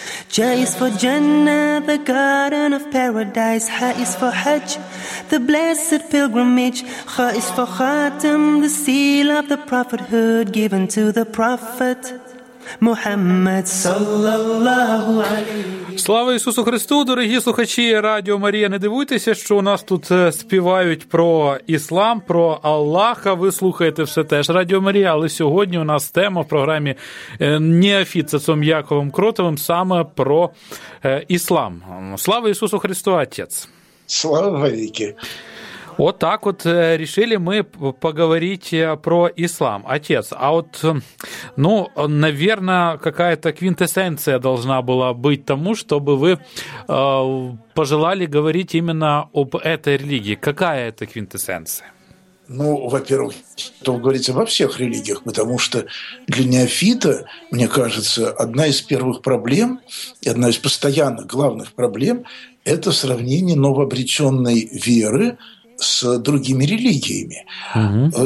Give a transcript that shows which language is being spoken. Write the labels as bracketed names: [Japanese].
[English] J is for Jannah, the garden of paradise. Ha is for Hajj, the blessed pilgrimage. Kha is for Khatam, the seal of the prophethood given to the prophet Muhammad [Arabic] sallallahu alayhi. [Ukrainian] Слава Ісусу Христу, дорогі слухачі Радіо Марія. Не дивуйтеся, що у нас тут співають про іслам, про Аллаха. Ви слухаєте все теж Радіо Марія, але сьогодні у нас тема в програмі Неофіт Цецом Яковом Кротовим саме про іслам. Слава Ісусу Христу, Отець. Слава велике. От так от рішили ми поговорити про іслам. Отець, а от, ну, [Russian] наверно, какая-то [Ukrainian] квінтесенція [Russian] должна [Ukrainian] була бути тому, щоб ви [Russian] пожелали [Ukrainian] говорити [Russian] именно об этой [Ukrainian] релігії. [Russian] Какая это квінтесенція? Ну, во-первых, то говорится во всех религиях, потому что для неофита, мне кажется, одна из первых проблем и одна из постоянно главных проблем – это сравнение новообретенной веры с другими религиями. Угу.